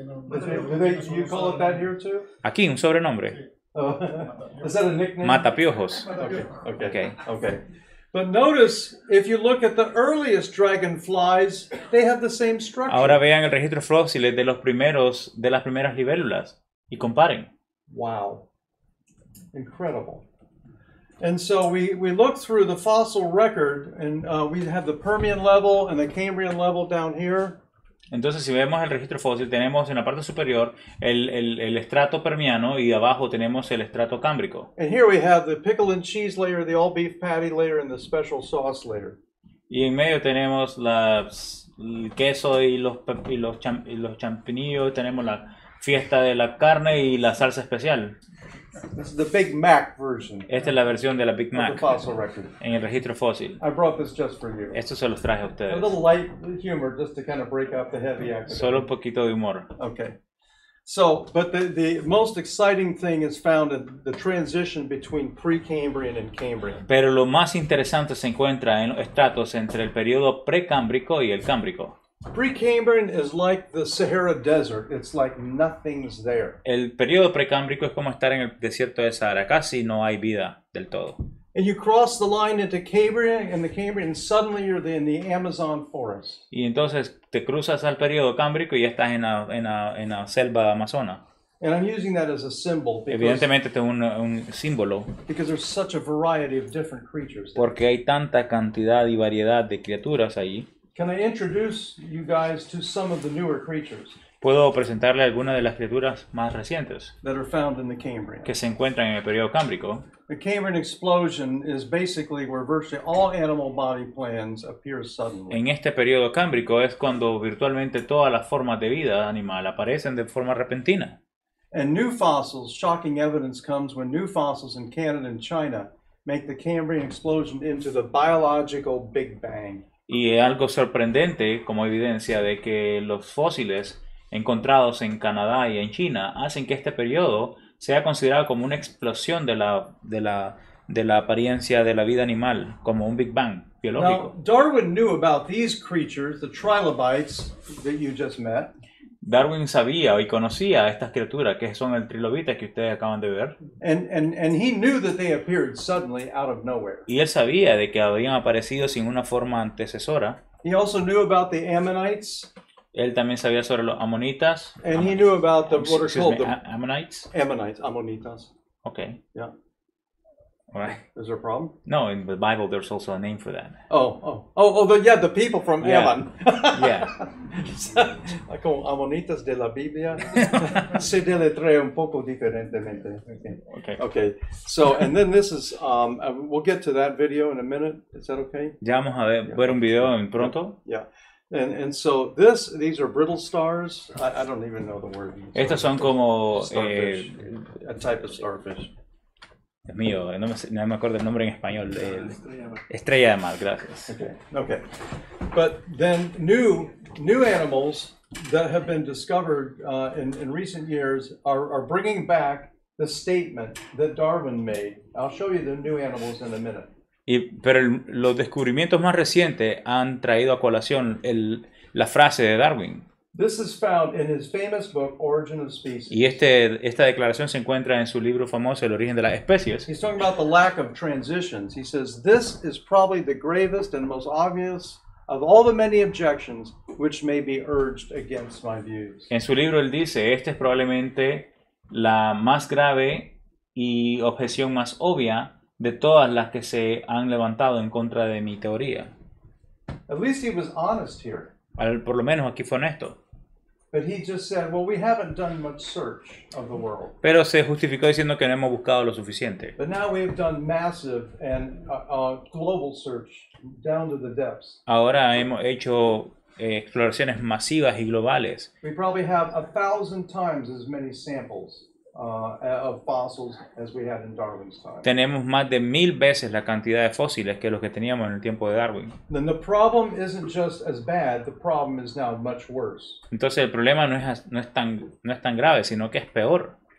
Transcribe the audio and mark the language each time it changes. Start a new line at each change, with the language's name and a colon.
English: Do you call it that here too?
Spanish: Aquí un sobrenombre.
English: Oh. Is that a nickname?
Spanish: Matapiojos.
English: Okay. But notice, if you look at the earliest dragonflies, they have the same structure.
Spanish: Ahora vean el registro fósil de los primeros, de las primeras libélulas, y comparen.
English: Wow. Incredible. And so we look through the fossil record, and we have the Permian level and the Cambrian level down here.
Spanish: Entonces, si vemos el registro fósil, tenemos en la parte superior el estrato permiano y abajo tenemos el estrato cámbrico.
English: And here we have the pickle and cheese layer, the all beef patty layer, and the special sauce layer.
Spanish: Y en medio tenemos el queso y los champiñones, tenemos la fiesta de la carne y la salsa especial.
English: This is the Big Mac version.
Spanish: Esta es la versión de la Big Mac.
English: The fossil record.
Spanish: En el registro fósil.
English: I brought this just for you.
Spanish: Esto se los traje a ustedes.
English: A little light humor, just to kind of break out the heavy accent.
Spanish: Solo un poquito de humor.
English: Okay. So, but the most exciting thing is found in the transition between Precambrian and Cambrian.
Spanish: Pero lo más interesante se encuentra en los estratos entre el periodo precámbrico y el cámbrico.
English: Precambrian is like the Sahara Desert. It's like nothing's there.
Spanish: El periodo precámbrico es como estar en el desierto de Sahara. Casi no hay vida del todo.
English: And you cross the line into Cambrian, and the Cambrian, suddenly you're in the Amazon forest.
Spanish: Y entonces te cruzas al periodo cámbrico y estás en la selva amazona.
English: And I'm using that as a symbol. Because,
Spanish: evidentemente, es un símbolo.
English: Because there's such a variety of different creatures.
Spanish: Porque hay tanta cantidad y variedad de criaturas allí.
English: Can I introduce you guys to some of the newer creatures?
Spanish: Puedo presentarle algunas de las criaturas más recientes
English: that are found in the Cambrian.
Spanish: Que se encuentran en el periodo cámbrico.
English: The Cambrian explosion is basically where virtually all animal body plans appear suddenly.
Spanish: En este periodo cámbrico es cuando virtualmente todas las formas de vida animal aparecen de forma repentina.
English: And new fossils, shocking evidence comes when new fossils in Canada and China make the Cambrian explosion into the biological Big Bang.
Spanish: Y es algo sorprendente como evidencia de que los fósiles encontrados en Canadá y en China hacen que este periodo sea considerado como una explosión de la apariencia de la vida animal, como un Big Bang biológico.
English: Now, Darwin knew about these creatures, the trilobites that you just met.
Spanish: Darwin sabía y conocía a estas criaturas que son el trilobite que ustedes acaban de ver.
English: And he knew that they appeared suddenly out of nowhere.
Spanish: Y él sabía de que habían aparecido sin una forma antecesora.
English: He also knew about the ammonites.
Spanish: Él también sabía sobre los ammonitas.
English: And he knew about the what are called the ammonites.
Spanish: Ammonites, ammonitas.
English: Okay. Yeah. All right. Is there a problem? No, in the Bible there's also a name for that. The people from Ammon. Yeah.
Spanish: Yeah. Como ammonitas de la Biblia. Se deletrea un poco diferentemente.
English: Okay. So, and then this is, we'll get to that video in a minute. Is that okay?
Spanish: Ya vamos a ver un video en pronto.
English: Yeah. And so this, these are brittle stars. I don't even know the word.
Spanish: Estas son como
English: a type of starfish.
Spanish: Dios mío, no me acuerdo el nombre en español. Estrella de mar, gracias.
English: Okay. But then new animals that have been discovered in recent years are bringing back the statement that Darwin made. I'll show you the new animals in a minute.
Spanish: Pero los descubrimientos más recientes han traído a colación la frase de Darwin.
English: This is found in his famous book, Origin of Species.
Spanish: Y esta declaración se encuentra en su libro famoso, El origen de las especies.
English: He's talking about the lack of transitions. He says, this is probably the gravest and most obvious of all the many objections which may be urged against my views.
Spanish: En su libro él dice, esta es probablemente la más grave y objeción más obvia de todas las que se han levantado en contra de mi teoría.
English: At least he was honest here.
Spanish: Por lo menos aquí fue honesto.
English: But he just said, well, we haven't done much search of the world.
Spanish: Pero se justificó diciendo que no hemos buscado lo suficiente.
English: But now we have done massive and global search down to the depths.
Spanish: Ahora hemos hecho exploraciones masivas y globales.
English: We probably have 1,000 times as many samples of fossils as we had in Darwin's time.
Spanish: Tenemos más de 1,000 veces la cantidad de fósiles que los que teníamos en el tiempo de Darwin.
English: Then the problem isn't just as bad, the problem is now much worse.
Spanish: Entonces el problema no es tan grave, sino que es peor.